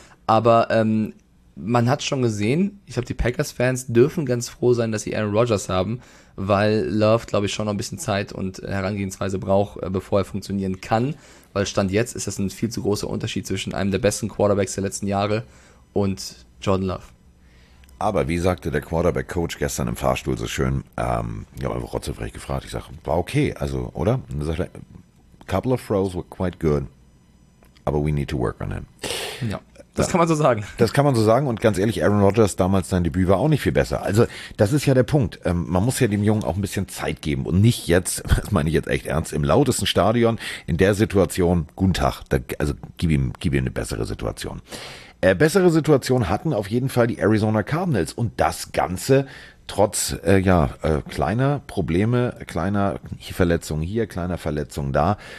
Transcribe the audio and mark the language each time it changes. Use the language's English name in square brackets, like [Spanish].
[German] Aber man hat schon gesehen, ich glaube, die Packers-Fans dürfen ganz froh sein, dass sie Aaron Rodgers haben, weil Love, glaube ich, schon noch ein bisschen Zeit und Herangehensweise braucht, bevor er funktionieren kann, weil Stand jetzt ist das ein viel zu großer Unterschied zwischen einem der besten Quarterbacks der letzten Jahre und Jordan Love. Aber wie sagte der Quarterback-Coach gestern im Fahrstuhl so schön, ich habe einfach rotzefrech gefragt, ich sage, war okay, also, oder? Und dann sagt er, [English] couple of throws were quite good, [German] aber [English] we need to work on him. [German] Ja, das kann man so sagen. Das kann man so sagen und ganz ehrlich, Aaron Rodgers, damals sein Debüt war auch nicht viel besser. Also, das ist ja der Punkt. Man muss ja dem Jungen auch ein bisschen Zeit geben und nicht jetzt, das meine ich jetzt echt ernst, im lautesten Stadion, in der Situation, guten Tag, da, also gib ihm eine bessere Situation. Bessere Situation hatten auf jeden Fall die Arizona Cardinals und das Ganze trotz kleiner Probleme, kleiner Verletzungen hier, kleiner Verletzungen da.